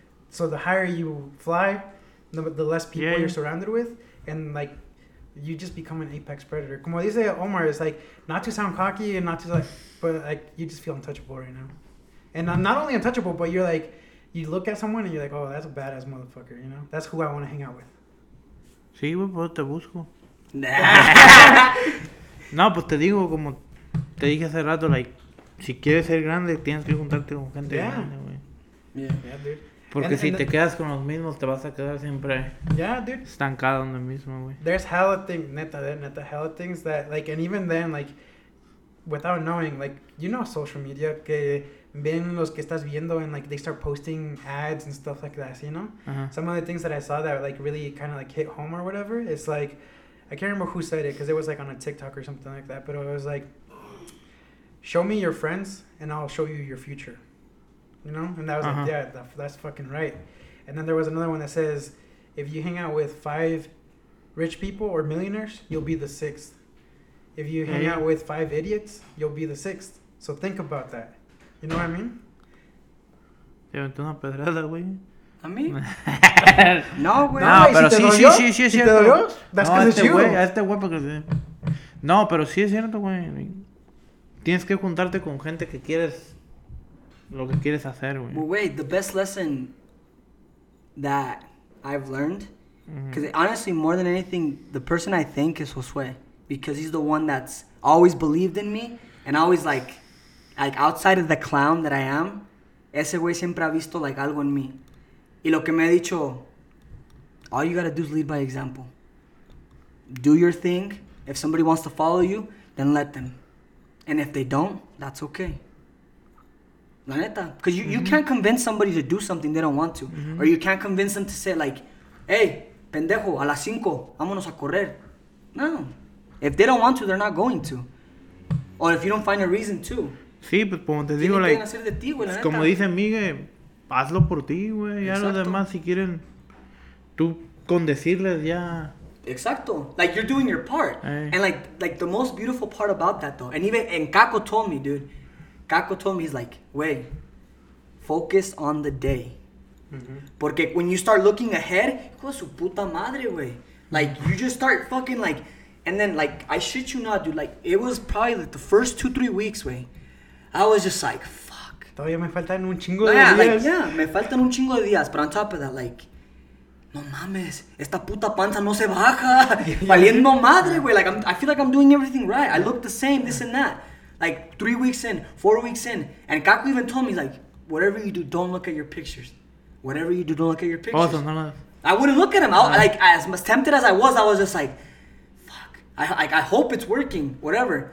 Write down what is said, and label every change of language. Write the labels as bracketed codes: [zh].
[en] So the higher you fly, the less people you're surrounded with, and, like, you just become an apex predator. [es] Como dice Omar, [en] it's like, not to sound cocky and not to, like, but, like, you just feel untouchable right now. And not only untouchable, but you're like, you look at someone and you're like, oh, that's a badass motherfucker, you know? That's who I want to hang out with. [es] Sí, güey, pues te busco. [en] Nah. [es] No, pues te digo, como te dije hace rato, like, si quieres ser grande, tienes que juntarte con gente grande, güey. [en] Yeah, dude. [es] Porque si te quedas con los mismos, te vas a quedar siempre estancado en lo mismo, güey. [en] There's hella things, neta, hella things that, like, and even then, like, without knowing, like, you know social media, [es] que ven los que estás viendo [en] and, like, they start posting ads and stuff like that, you know? Uh-huh. Some of the things that I saw that, like, really kind of, like, hit home or whatever, it's like, I can't remember who said it because it was, like, on a TikTok or something like that, but it was like, show me your friends and I'll show you your future. You know? And that was like, yeah, that's fucking right. And then there was another one that says, if you hang out with 5 rich people or millionaires, you'll be the 6th. If you hang out with 5 idiots, you'll be the 6th. So think about that. You know what I mean? [es] Te aventó una pedrada, güey. ¿A mí? No, güey. No, wey, pero ¿si sí, dolió? Sí, sí, sí, es cierto. ¿Si das no, a este güey porque... No, pero sí es cierto, güey. Tienes que juntarte con gente que quieres... Lo que quieres hacer, güey. [en] Well, wait, the best lesson that I've learned... Because honestly, more than anything, the person I think is Josue. Because he's the one that's always believed in me. And always, like outside of the clown that I am, [es] ese güey siempre ha visto, [en] like, [es] algo en mí. Y lo que me ha dicho, [en] all you gotta do is lead by example. Do your thing. If somebody wants to follow you, then let them. And if they don't, that's okay. [es] La neta. [en] Because you can't convince somebody to do something they don't want to. Mm-hmm. Or you can't convince them to say, like, hey, [es] pendejo, a las 5, vámonos a correr. [en] No. If they don't want to, they're not going to. Or if you don't find a reason to. [es] Sí, pues como te digo, like, hacer de ti, güey, la neta. Como dice Miguel, hazlo por ti, güey. Ya los demás, si quieren, tú con decirles ya... Exacto. [en] Like, you're doing your part. Hey. And, like the most beautiful part about that, though, and Caco told me, dude. Caco told me, he's like, wey, focus on the day. Mm-hmm. [es] Porque [en] when you start looking ahead, [es] hijo de su puta madre, wey. [en] Like, you just start fucking, like, and then, like, I shit you not, dude. Like, it was probably, like, the first 2-3 weeks, wey. I was just like, fuck. [es] Todavía me faltan un chingo de días. [en] Like, yeah, [es] me faltan un chingo de días. [en] But on top of that, like... [es] No mames, esta puta panza no se baja, valiendo madre, güey. [en] Like, I feel like I'm doing everything right. I look the same, this and that. Like, 3 weeks in, 4 weeks in. And Kaku even told me, like, whatever you do, don't look at your pictures. Whatever you do, don't look at your pictures. Awesome, no, no. I wouldn't look at them. No. I, like, as tempted as I was just like, fuck. I hope it's working, whatever.